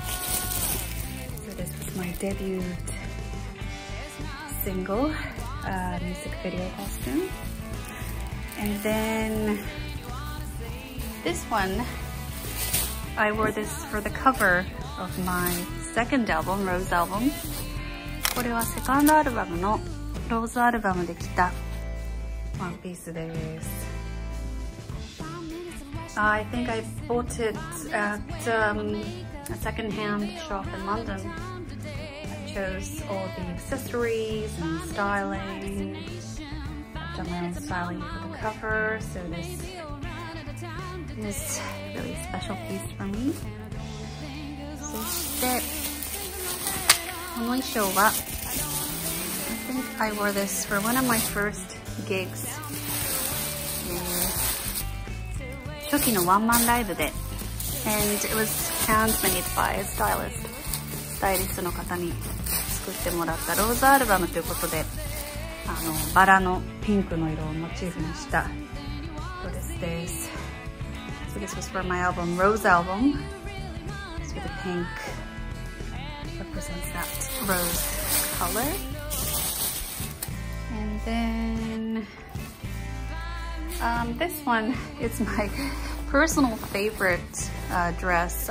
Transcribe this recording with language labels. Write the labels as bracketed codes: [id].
[en] So this is my debut single music video costume. And then this one, I wore this for the cover of my second album, Rose Album. [ja] これはセカンドアルバムのローズアルバムで着たワンピースです。 [en] I think I bought it at a second-hand shop in London. I chose all the accessories and styling. I've done my own styling for the cover, so this is a really special piece for me. [ja] そして、この衣装は、 [en] I think I wore this for one of my first gigs. [ja] 初期のワンマンライブで、 [en] and it was handmade by a stylist. [ja] スタイリストの方に作ってもらったローズアルバムということで、あのバラのピンクの色をモチーフにしたドレスです。 [en] So this was for my album, Rose Album. So the pink represents that rose color. And then... this one is my personal favorite dress.